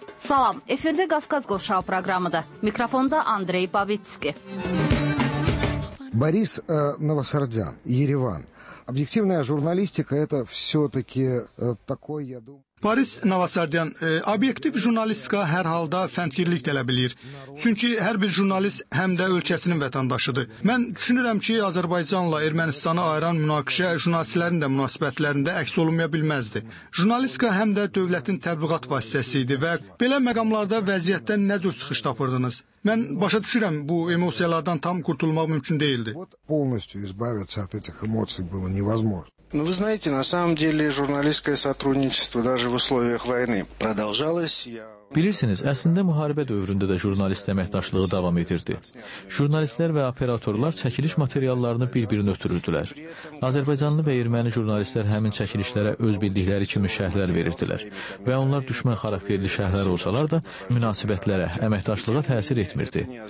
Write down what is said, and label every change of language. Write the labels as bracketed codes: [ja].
[az] Salam, efirdə Qafqaz Qovşağı proqramıdır. Mikrofonda Andrey Babitski. [ru] Борис Новосардян, Ереван. Объективная журналистика – это все-таки такой, я думаю... [az] Paris Navasardyan, obyektiv jurnalistika hər halda fəndgirlik tələb edir. Çünki hər bir jurnalist həm də ölkəsinin vətəndaşıdır. Mən düşünürəm ki, Azərbaycanla Ermənistanı ayıran münaqişə jurnalistlərin də münasibətlərində əks olunmaya bilməzdi. Jurnalistika həm də dövlətin təbliğat vasitəsi idi və belə məqamlarda vəziyyətdən nə cür çıxış tapırdınız? Mən başa düşürəm, bu emosiyalardan tam qurtulmaq mümkün deyildi. [ru] Полностью избавиться от этих эмоций было невозможно. Ну, вы знаете, на самом деле журналистское сотрудничество даже в условиях войны продолжалось. [az] Bilirsiniz, əslində müharibə dövründə də jurnalist əməkdaşlığı davam edirdi. Jurnalistlər və operatorlar çəkiliş materiallarını bir-birinə ötürürdülər. Azərbaycanlı və erməni jurnalistlər həmin çəkilişlərə öz bildikləri kimi şərhlər verirdilər. Və onlar düşmən xarakterli şərhlər olsalar da, münasibətlərə, əməkdaşlığa təsir etmirdi.